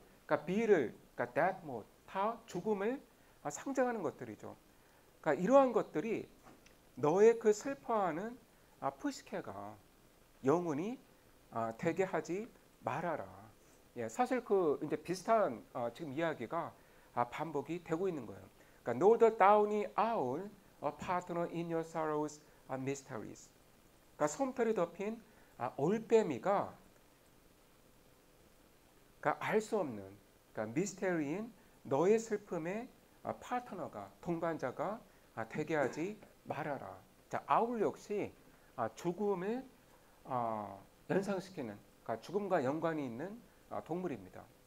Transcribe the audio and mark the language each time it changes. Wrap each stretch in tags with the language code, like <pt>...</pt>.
<ko>그러니까 비를, 그러니까 데드모드, 다 죽음을 상징하는 것들이죠. 그러니까 이러한 것들이 너의 그 슬퍼하는 푸시케가 영혼이 되게 하지 말아라. 예, 사실 그 이제 비슷한 지금 이야기가 반복이 되고 있는 거예요. 그러니까</ko> <en>Know the downy owl, a partner in your sorrows and mysteries.</en> <ko>그러니까 솜털이 덮인 올빼미가, 그러니까 알수 없는, 그러니까 미스테리인 너의 슬픔의 파트너가, 동반자가 되게 하지 말아라. 자, 아울 역시 죽음을 연상시키는, 그러니까 죽음과 연관이 있는 동물입니다.</ko>